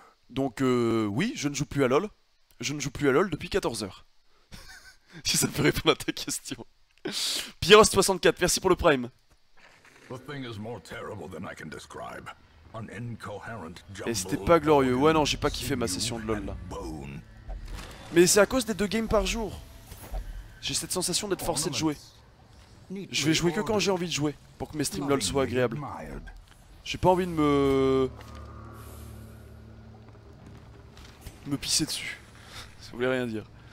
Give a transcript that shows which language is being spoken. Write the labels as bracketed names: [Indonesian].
[French] Donc, oui, je ne joue plus à LoL. Je ne joue plus à LoL depuis 14h. Si ça peut répondre à ta question. Pyros64, merci pour le Prime. [English] The thing is more terrible than I can describe. An incoherent jumble. [French] Et c'était pas glorieux. Ouais, non, j'ai pas kiffé ma session de LoL là. Mais c'est à cause des 2 games par jour. J'ai cette sensation d'être forcé de jouer. Je vais jouer que quand j'ai envie de jouer. Pour que mes streams LoL soient agréables. J'ai pas envie de me pisser dessus. Ça voulait rien dire.